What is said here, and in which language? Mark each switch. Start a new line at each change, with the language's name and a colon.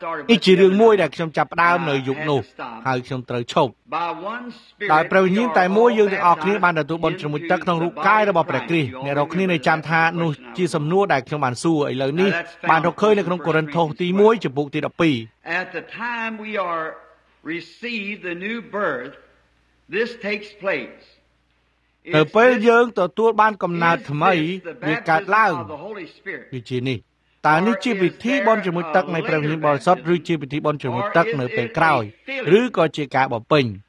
Khmer: នេះជារឿងមួយដែលខ្ញុំចាប់ផ្ដើមនៅយុគនោះហើយខ្ញុំត្រូវឈប់ដោយព្រះវិញ្ញាណតែមួយយើងទាំងអស់គ្នាបានទទួលបុណ្យជ្រមុជទឹកក្នុងរូបកាយរបស់ព្រះគ្រីស្ទអ្នករាល់គ្នានៅចាំថានោះជាសំណួរដែលខ្ញុំបានសួរឥឡូវនេះបានរកឃើញនៅក្នុងកូរិនថូសទី1ចំពោះទី12
English: At the time we areReceive the new birth. This takes place.
Khmer: ទៅពេលយើងទទួលបានកំណើតថ្មីវាកើតឡើងវាជានេះតើនេះជាពិធីបន់ជាមួយទឹកនៃព្រះវិញ្ញាណបរិសុទ្ធឬជាពិធីបន់ជាមួយទឹកនៅពេលក្រោយឬក៏ជាការបំពេញ